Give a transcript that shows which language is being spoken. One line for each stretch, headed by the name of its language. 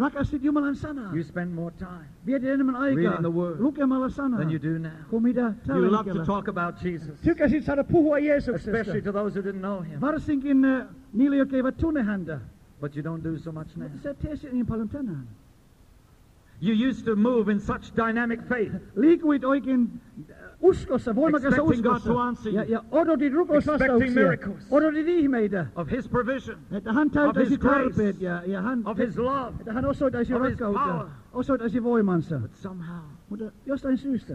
Finnish: Rakastit Jumalan sanaa.
English: You spend more time.
Finnish: Vietit enemmän aikaa.
English: Reading the word.
Finnish: Lukemalla sanaa.
English: Than you do now.
Finnish: Kuin mitä tällä hetkellä.
English: You love to talk about Jesus.
Finnish: Tykkäsit saada puhua Jeesuksesta.
English: Especially to those who didn't know him.
Finnish: Varsinkin niille, jotka eivät tunne häntä.
English: But you don't do so much now.
Finnish: Sä teesit niin paljon tänään.
English: You used to move in such dynamic faith.
Finnish: Liikuit oikein uskossa, voimakassa uskossa. Ja odotit rukousvastauksia. Odotit ihmeitä.
English: Of his provision.
Finnish: Että hän täyttäisi tarpeet.
English: Of his love.
Finnish: Että hän osoittaisi rakkautta. Osoittaisi voimansa.
English: But somehow,
Finnish: mutta jostain syystä.